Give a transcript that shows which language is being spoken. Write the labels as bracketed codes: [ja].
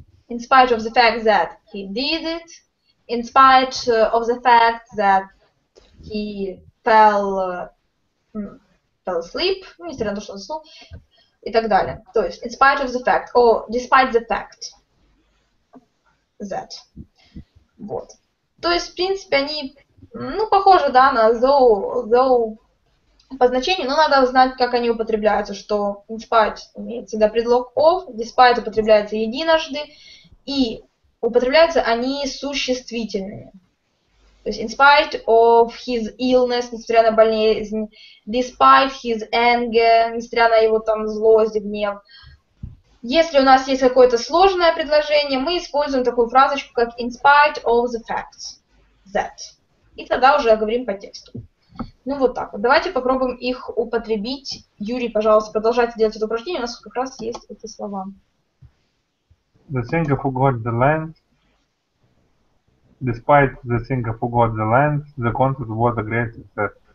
[en] In spite of the fact that he did it. In spite of the fact that he fell asleep. [ru] Ну, несмотря на то, что он заснул. И так далее. То есть [en] in spite of the fact. Or despite the fact that. [ru] Вот. То есть, в принципе, они, ну, похожи, да, на though. По значению, но надо знать, как они употребляются, что in spite имеет всегда предлог of, despite употребляется единожды, и употребляются они существительные. То есть [en] in spite of his illness, [ru] несмотря на болезнь, [en] despite his anger, [ru] несмотря на его там злость и гнев. Если у нас есть какое-то сложное предложение, мы используем такую фразочку, как [en] in spite of the facts that. [ru] И тогда уже говорим по тексту. Ну вот так вот. Давайте попробуем их употребить. Юрий, пожалуйста, продолжайте делать это упражнение. У нас как раз есть эти слова. [en] The singer forgot the lines. Despite the singer forgot the lines, the concert was a great success.